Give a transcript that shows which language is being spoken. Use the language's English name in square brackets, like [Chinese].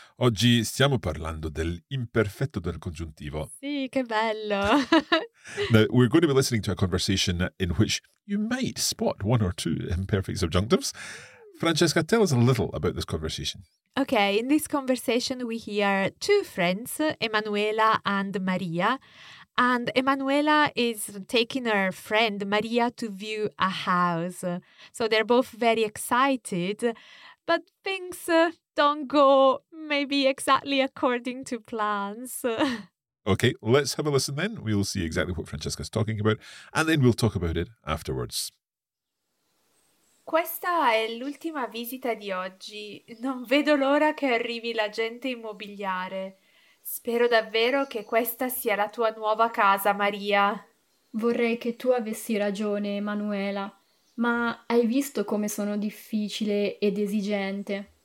[Italian] Oggi stiamo parlando dell'imperfetto del congiuntivo. Sì, che bello. [English] Now, we're going to be listening to a conversation in which you might spot one or two imperfect subjunctives. Francesca, tell us a little about this conversation. Okay, in this conversation we hear two friends, Emanuela and Maria. And Emanuela is taking her friend Maria to view a house. So they're both very excited, but things don't go maybe exactly according to plans. Okay, let's have a listen then. We'll see exactly what Francesca's talking about and then we'll talk about it afterwards. [Italian] Questa è l'ultima visita di oggi. Non vedo l'ora che arrivi l'agente immobiliare. Spero davvero che questa sia la tua nuova casa, Maria. Vorrei che tu avessi ragione, Emanuela. Ma hai visto come sono difficile ed esigente?